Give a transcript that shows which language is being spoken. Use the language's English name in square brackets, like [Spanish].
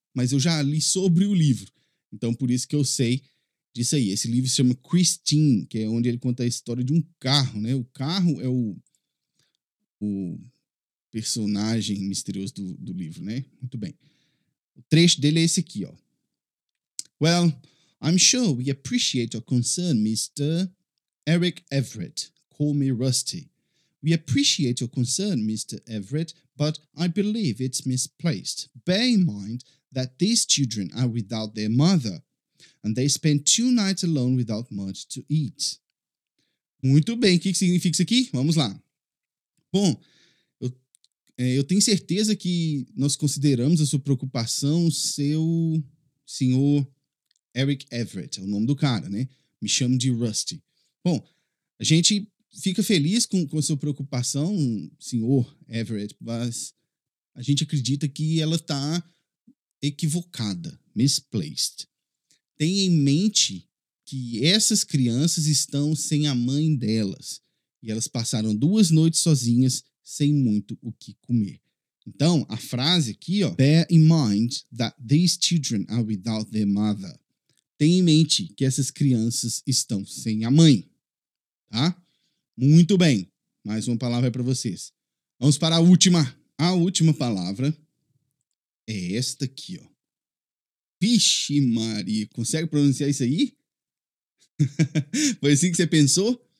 [Portuguese] mas eu já li sobre o livro. Então, por isso que eu sei disso aí. Esse livro se chama Christine, que é onde ele conta a história de um carro, né? O carro é o personagem misterioso do livro, né? Muito bem. O trecho dele é esse aqui, ó. [English] Well, I'm sure we appreciate your concern, Mr. Eric Everett. Call me Rusty. We appreciate your concern, Mr. Everett, but I believe it's misplaced. Bear in mind that these children are without their mother, and they spend two nights alone without much to eat. [Portuguese] Muito bem, o que significa isso aqui? Vamos lá. Bom, eu tenho certeza que nós consideramos a sua preocupação, seu senhor Eric Everett, é o nome do cara, né? Me chamo de Rusty. Bom, a gente fica feliz com a sua preocupação, senhor Everett, mas a gente acredita que ela está equivocada, misplaced. Tenha em mente que essas crianças estão sem a mãe delas e elas passaram duas noites sozinhas sem muito o que comer. Então, a frase aqui, ó, [English] bear in mind that these children are without their mother. [Portuguese] Tenha em mente que essas crianças estão sem a mãe, tá? Muito bem, mais uma palavra para vocês. Vamos para a última. A última palavra é esta aqui, ó. Vixe Maria, consegue pronunciar isso aí? Foi assim que você pensou?